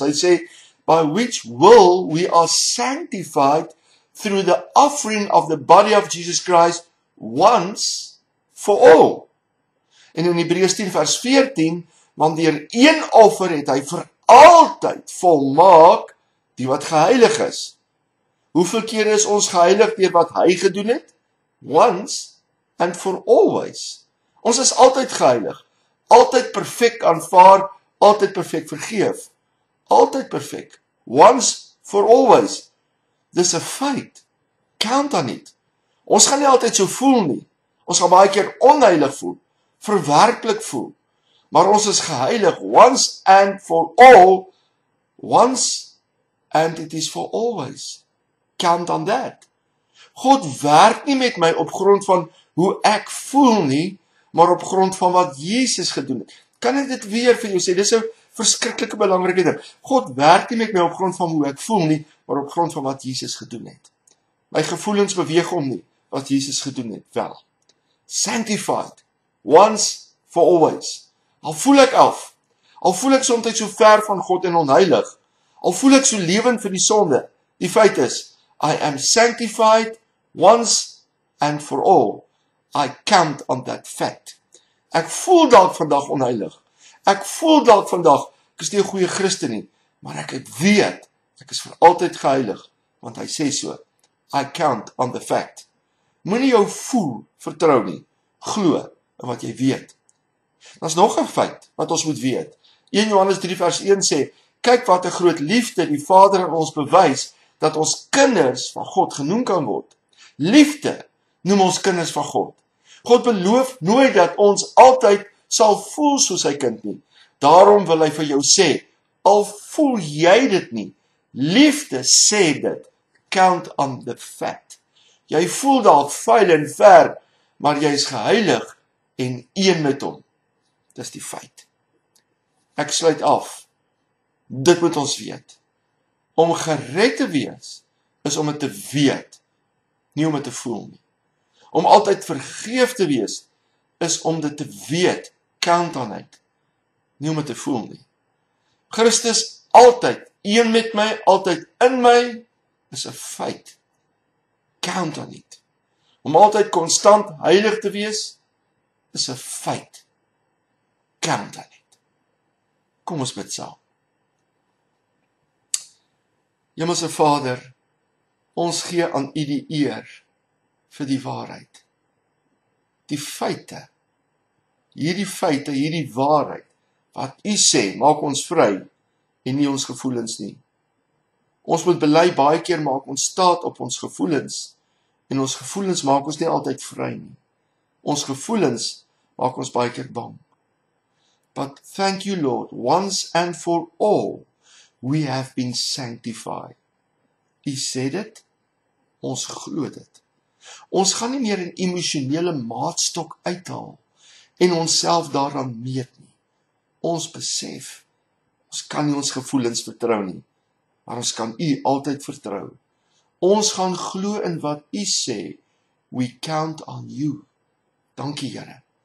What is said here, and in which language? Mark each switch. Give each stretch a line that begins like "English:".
Afrikaans: Hy sê,
English: by which will we are sanctified through the offering of the body of Jesus Christ once for all.
Afrikaans: En in Hebreërs 10 vers 14, want deur een offer het hy vir altyd volmaak die wat geheilig is. Hoeveel keer is ons geheilig deur wat hy gedoen het?
English: Once and for always.
Afrikaans: Ons is altyd geheilig, altyd perfek aanvaar, altyd perfek vergeef. Altyd perfek.
English: Once for always.
Afrikaans: Dis 'n feit.
English: Count on it.
Afrikaans: Ons gaan nie altyd so voel nie. Ons gaan baie keer onheilig voel, verwerklik voel, maar ons is geheilig
English: once and for all, once and it is for always. Count on that.
Afrikaans: God werk nie met my op grond van hoe ek voel nie, maar op grond van wat Jesus gedoen het. Kan ek dit weer vir jou sê, dis 'n verskriklike belangrike ding. God werk nie met my op grond van hoe ek voel nie, maar op grond van wat Jesus gedoen het. My gevoelens beweeg om nie, wat Jesus gedoen het wel.
English: Sanctified, once for always.
Afrikaans: Al voel ek af, al voel ek soms so ver van God en onheilig, al voel ek so lewend vir die sonde, die feit is,
English: I am sanctified once and for all. I count on that fact.
Afrikaans: Ek voel dalk vandag onheilig, ek voel dalk vandag, ek is nie 'n goeie Christen nie, maar ek het weet, ek is vir altyd geheilig, want hy sê so,
English: I count on the fact.
Afrikaans: Moet nie jou voel vertrou nie. Glo in wat jy weet. Dat is nog een feit wat ons moet weet. 1 Johannes 3 vers 1 sê, kyk wat een groot liefde die Vader in ons bewys, dat ons kinders van God genoem kan word. Liefde noem ons kinders van God. God beloof nooit dat ons altyd sal voel soos sy kind nie. Daarom wil hy vir jou sê, al voel jy dit nie, liefde sê dit,
English: count on the fact.
Afrikaans: Jy voel dalk vuil en ver, maar jy is geheilig en een met hom. Dis die feit. Ek sluit af, dit moet ons weet. Om gered te wees, is om het te weet, nie om het te voel nie. Om altyd vergeef te wees, is om dit te weet,
English: count on it,
Afrikaans: nie om het te voel nie. Christus altyd, een met my, altyd in my, is een feit.
English: Count on it.
Afrikaans: Om altyd constant heilig te wees, is een feit.
English: Count on it.
Afrikaans: Kom ons bid saam. Hemelse Vader, ons gee aan U die eer vir die waarheid. Die feite, hierdie feite, hierdie waarheid, wat U sê, maak ons vry, en nie ons gevoelens nie. Ons moet bely baie keer maak ons staat op ons gevoelens, en ons gevoelens maak ons nie altyd vry nie. Ons gevoelens maak ons baie keer bang.
English: But thank you Lord, once and for all, we have been sanctified.
Afrikaans: U sê dit, ons glo dit. Ons gaan nie meer in emotionele maatstok uithaal, en onsself daaraan meet nie. Ons besef, ons kan nie ons gevoelens vertrou nie, maar ons kan U altyd vertrou. Ons gaan glo in wat U sê,
English: we count on You.
Afrikaans: Dankie Here.